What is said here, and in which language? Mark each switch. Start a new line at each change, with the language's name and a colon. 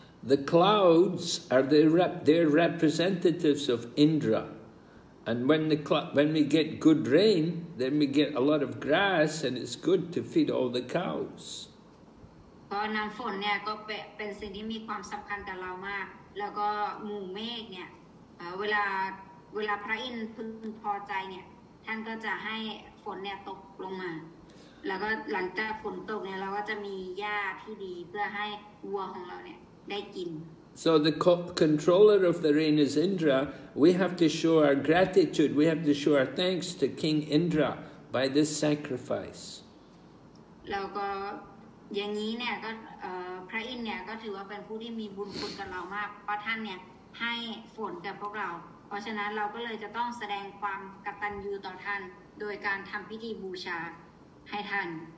English: The clouds are their representatives of Indra and when we get good rain then we get a lot of grass and it's good to feed all the cows
Thai: เพราะน้ำฝนเนี่ยก็เป็นสิ่งที่มีความสำคัญกับเรามากแล้วก็หมู่เมฆเนี่ยเวลาพระอินทร์พึงพอใจเนี่ยท่านก็จะให้ฝนเนี่ยตกลงมาแล้วก็หลังจากฝนตกเนี่ยเราก็จะมีหญ้าที่ดีเพื่อให้วัวของเราเนี่ยได้กิน
English: So the controller of the rain is Indra. We have to show our gratitude. We have to show our thanks to King Indra by this sacrifice.
Thai: แล้วก็อย่างนี้เนี่ยก็พระอินทร์เนี่ยก็ถือว่าเป็นผู้ที่มีบุญคุณกับเรามากเพราะท่านเนี่ยให้ฝนกับพวกเราเพราะฉะนั้นเราก็เลยจะต้องแสดงความกตัญญูต่อท่านโดยการทำพิธีบูชาให้ท่าน